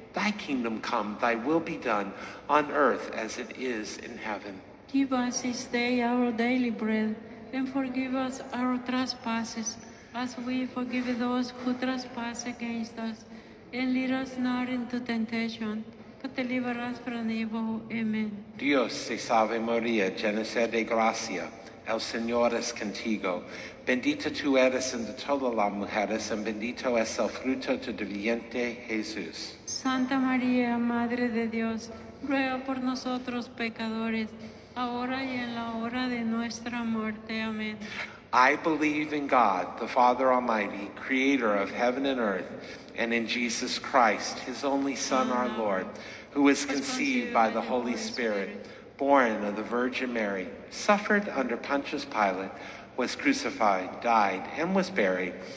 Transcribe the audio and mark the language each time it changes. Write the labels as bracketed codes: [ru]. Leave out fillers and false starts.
[en] Thy kingdom come, thy will be done, on earth as it is in heaven. Give us this day our daily bread, and forgive us our trespasses, as we forgive those who trespass against us. And lead us not into temptation, but deliver us from evil. Amen. [es] Dios te salve Maria, llena eres de gracia, el Señor es contigo. Bendita tú eres entre todas las mujeres, y bendito es el fruto de tu vientre, Jesús. Santa María, Madre de Dios, ruega por nosotros pecadores, ahora y en la hora de nuestra muerte. Amén. [en] I believe in God, the Father Almighty, creator of heaven and earth, and in Jesus Christ, his only Son, Amen. Our Lord, who was conceived by the Holy Spirit, born of the Virgin Mary, suffered under Pontius Pilate, was crucified, died, and was buried.